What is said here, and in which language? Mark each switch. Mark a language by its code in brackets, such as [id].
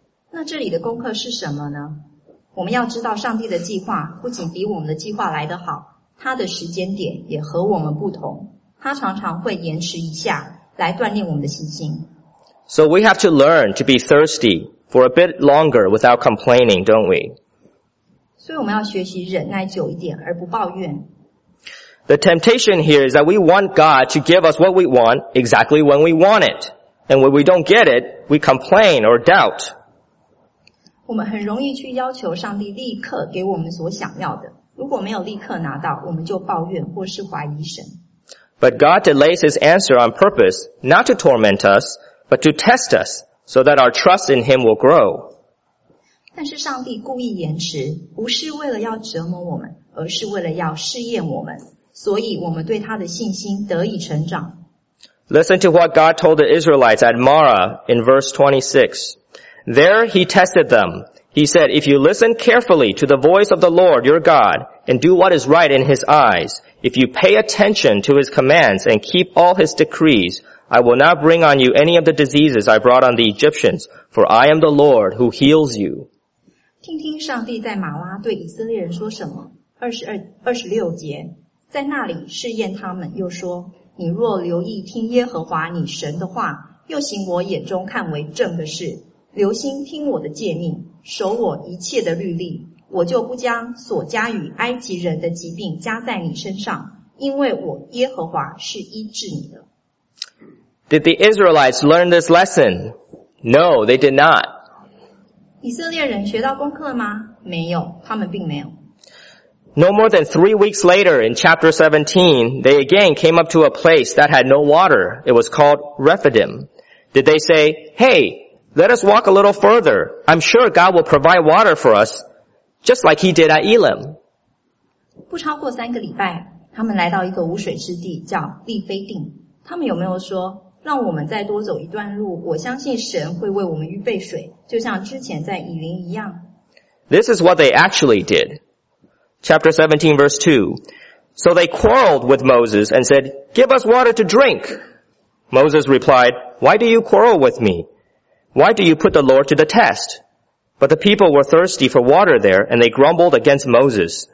[zh] 那这里的功课是什么呢？我们要知道上帝的计划不仅比我们的计划来得好，他的时间点也和我们不同，他常常会延迟一下来锻炼我们的信心。 [en] So we have to learn to be thirsty for a bit longer without complaining, don't we? [zh] 所以我们要学习忍耐久一点而不抱怨。 [en] The temptation here is that we want God to give us what we want exactly when we want it. And when we don't get it, we complain or doubt. [zh] 我们很容易去要求上帝立刻给我们所想要的。如果没有立刻拿到，我们就抱怨或是怀疑神。 [en] But God delays His answer on purpose, not to torment us, but to test us, so that our trust in Him will grow. [zh] 但是上帝故意延迟，不是为了要折磨我们，而是为了要试验我们。所以我们对他的信心得以成长。 [en] Listen to what God told the Israelites at Marah in verse 26. There he tested them. He said, If you listen carefully to the voice of the Lord your God and do what is right in his eyes, if you pay attention to his commands and keep all his decrees, I will not bring on you any of the diseases I brought on the Egyptians, for I am the Lord who heals you. [zh] 听听上帝在马拉对以色列人说什么。26节。在那里试验他们，又说：“你若留意听耶和华你神的话，又行我眼中看为正的事，留心听我的诫命，守我一切的律例，我就不将所加与埃及人的疾病加在你身上，因为我耶和华是医治你的。” [en] Did the Israelites learn this lesson? No, they did not. [zh] 以色列人学到功课吗？没有，他们并没有。 [en] No more than 3 weeks later, in chapter 17, they again came up to a place that had no water. It was called Rephidim. Did they say, Hey, let us walk a little further. I'm sure God will provide water for us, just like He did at Elim. [zh] 不超过三个礼拜，他们来到一个无水之地，叫利非定。他们有没有说，让我们再多走一段路，我相信神会为我们预备水，就像之前在以琳一样。 [en] This is what they actually did. Chapter 17, verse 2. So they quarreled with Moses and said, Give us water to drink. Moses replied, Why do you quarrel with me? Why do you put the Lord to the test? But the people were thirsty for water there, and they grumbled against Moses.